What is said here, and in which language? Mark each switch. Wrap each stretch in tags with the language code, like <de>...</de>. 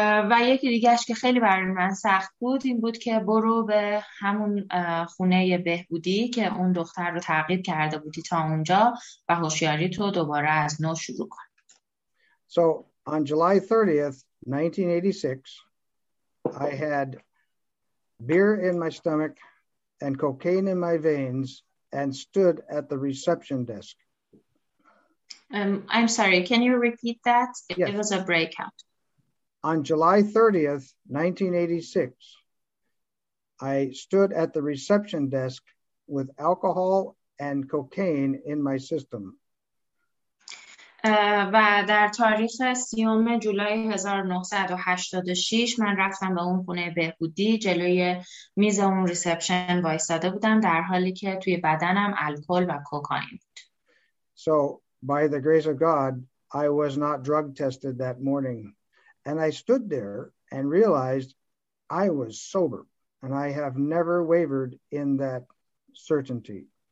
<fa>و یکی دیگه‌اش که خیلی برای من سخت بود این بود که برو به همون خونه بهبودی که اون دختر رو تعقیب کرده بودی تا اونجا و هوشیاری تو دوباره از نو شروع کن.</fa> <en>So on July 30th, 1986, I had beer in my stomach and cocaine in my veins and stood at the reception desk. I'm sorry, can you repeat that? Yes. It was a breakout. On July 30th, 1986, I stood at the reception desk with alcohol and cocaine in my system.</en> <fa>و در تاریخ 30 جولای 1986 من رفتم به اون خونه بهبودی، جلوی میز اون ریسپشن وایساده بودم در حالی که توی بدنم الکل و کوکائین بود.</fa> <en>So by the grace of God, I was not drug tested that morning, and I stood there and realized I was sober, and I have never wavered in that certainty.</en>